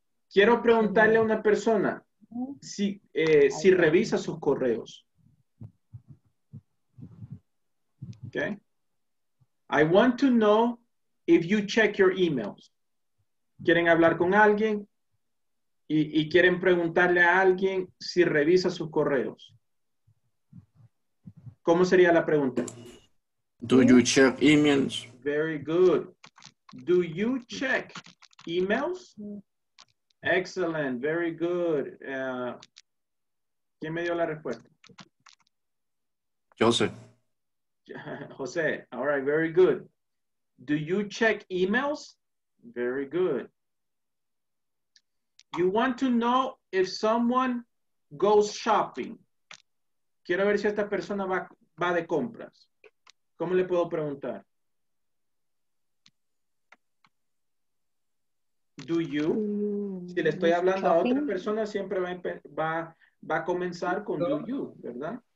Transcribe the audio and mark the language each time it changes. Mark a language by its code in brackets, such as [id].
[es] Quiero preguntarle a una persona si, si revisa sus correos. Okay. [en] I want to know if you check your emails. [es] Quieren hablar con alguien y quieren preguntarle a alguien si revisa sus correos. ¿Cómo sería la pregunta? [en] Do you check emails? Very good. Do you check emails? Excellent. Very good. ¿Quién me dio la respuesta? José. José. All right. Very good. Do you check emails? Very good. You want to know if someone goes shopping. [es] Quiero ver si esta persona va de compras. ¿Cómo le puedo preguntar? [en] Do you? Si le estoy hablando a otra persona, siempre va a comenzar con do you, ¿verdad?